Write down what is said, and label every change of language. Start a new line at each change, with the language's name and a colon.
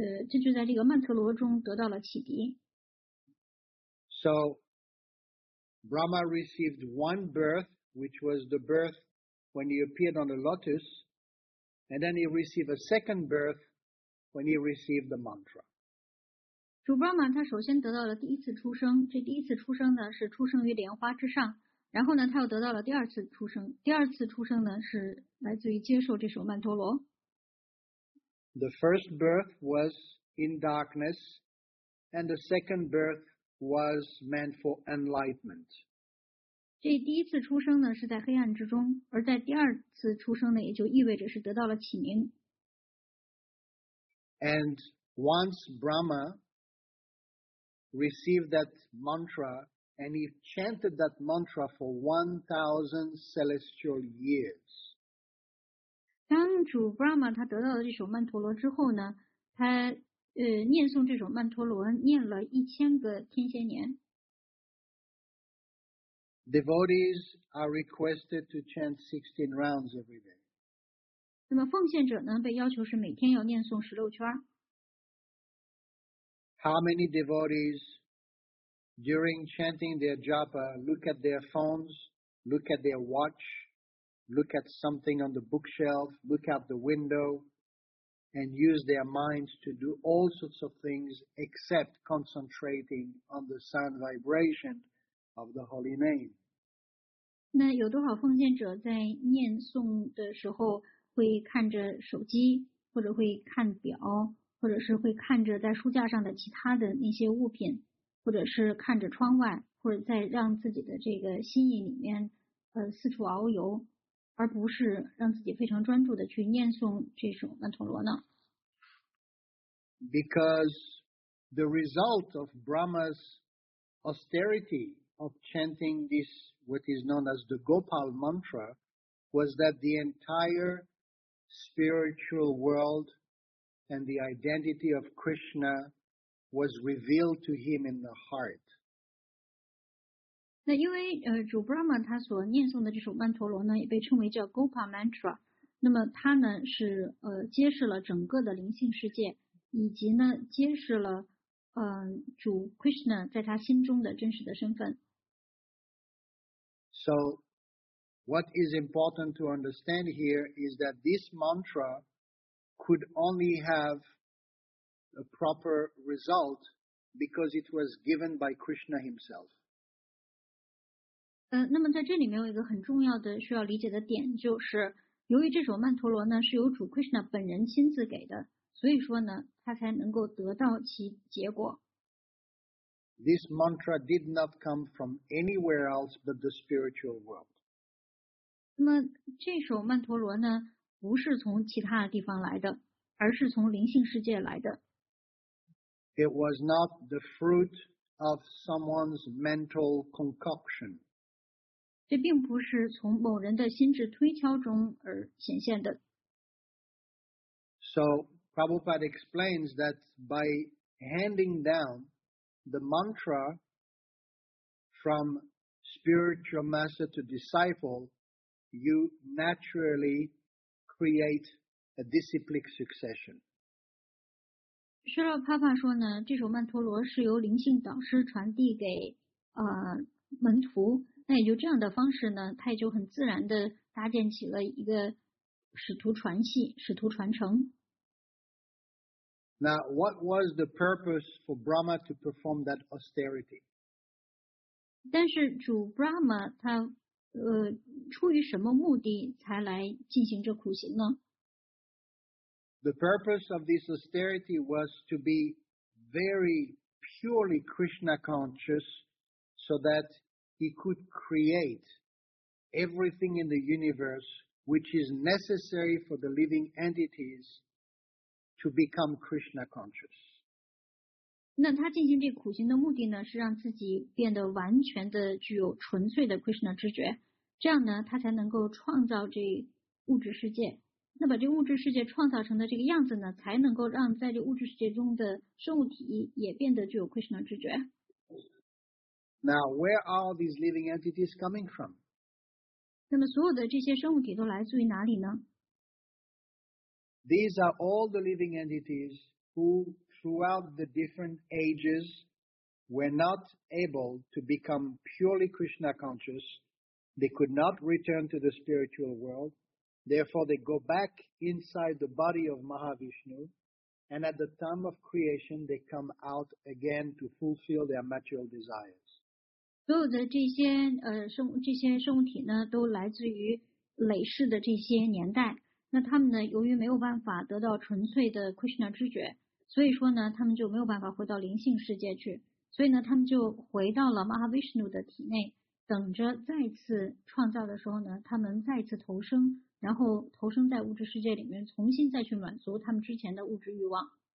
Chinese: 这就在这个曼陀罗中得到了启迪。
English: So, Brahma received one birth, which was the birth when he appeared on the lotus, and then he received a second birth when he received the mantra.
Chinese: 主 Brahma 他首先得到了第一次出生，这第一次出生呢是出生于莲花之上，然后呢他又得到了第二次出生，第二次出生呢是来自于接受这首曼陀罗。
English: The first birth was in darkness, and the second birth was meant for enlightenment.
Chinese: 这第一次出生呢是在黑暗之中，而在第二次出生呢，也就意味着是得到了启明。
English: And once Brahma received that mantra, and he chanted that mantra for 1,000 celestial years.
Chinese: 当主 Brahma 他得到了这首曼陀罗之后呢，他念诵这首曼陀罗念了1000个天仙年。
English: Devotees are requested to chant 16 rounds every day.
Chinese: 那么奉献者呢，被要求是每天要念诵16圈。
English: How many devotees during chanting their japa look at their phones, look at their watch, look at something on the bookshelf, look out the window, and use their minds to do all sorts of things except concentrating on the sound vibration of the holy name?
Chinese: 那有多少奉献者在念诵的时候会看着手机，或者会看表，或者是会看着在书架上的其他的那些物品，或者是看着窗外，或者在让自己的这个心意里面四处遨游，而不是让自己非常专注的去念诵这首曼陀罗呢？
English: Because the result of Brahma's austerity of chanting this, what is known as the Gopal mantra, was that the entire spiritual world and the identity of Krishna was revealed to him in the heart.
Chinese: 那因为主 Brahma 他所念诵的这首曼陀罗呢，也被称为叫 Gopal mantra。那么他呢是揭示了整个的灵性世界，以及呢揭示了主 Krishna 在他心中的真实的身份。
English: So, what is important to understand here is that this mantra could only have a proper result because it was given by Krishna himself.
Chinese: 那么在这里面有一个很重要的需要理解的点，就是由于这首曼陀罗呢是由主 Krishna 本人亲自给的，所以说呢他才能够得到其结果。
English: This mantra did not come from anywhere else but the spiritual world.
Chinese: 那么这首曼陀罗呢，不是从其他的地方来的，而是从灵性世界来的。
English: It was not the fruit of someone's mental concoction.
Chinese: 这并不是从某人的心智推敲中而显现的。
English: So, Prabhupada explains that by handing down the mantra from spiritual master to disciple, you naturally create a disciplic succession.
Chinese: 释迦帕帕说呢，这首曼陀罗是由灵性导师传递给门徒，那也就这样的方式呢，他也就很自然的搭建起了一个使徒传系，使徒传承。
English: Now, what was the purpose for Brahma to perform that austerity?
Chinese: 但是主 Brahma 他出于什么目的才来进行这苦行呢？
English: The purpose of this austerity was to be very purely Krishna conscious so that he could create everything in the universe which is necessary for the living entities to become Krishna conscious.
Chinese: 那他进行这苦行的目的呢，是让自己变得完全的具有纯粹的 Krishna 知觉，这样呢他才能够创造这物质世界，那把这物质世界创造成的这个样子呢，才能够让在这物质世界中的生物体也变得具有 Krishna 知觉。
English: Now, where are these living entities coming from?
Chinese: 那么所有的这些生物体都来自于哪里呢？
English: These are all the living entities who throughout the different ages were not able to become purely Krishna conscious. They could not return to the spiritual world. Therefore, they go back inside the body of Mahavishnu. And at the time of creation, they come out again to fulfill their material desires.
Chinese: 所有的这些生物体呢，都来自于累世的这些年代。那他们呢，由于没有办法得到纯粹的 Krishna 知觉，所以说呢，他们就没有办法回到灵性世界去，所以呢，他们就回到了 Mahavishnu 的体内，等着再次创造的时候呢，他们再次投生，然后投生在物质世界里面，重新再去满足他们之前的物质欲望。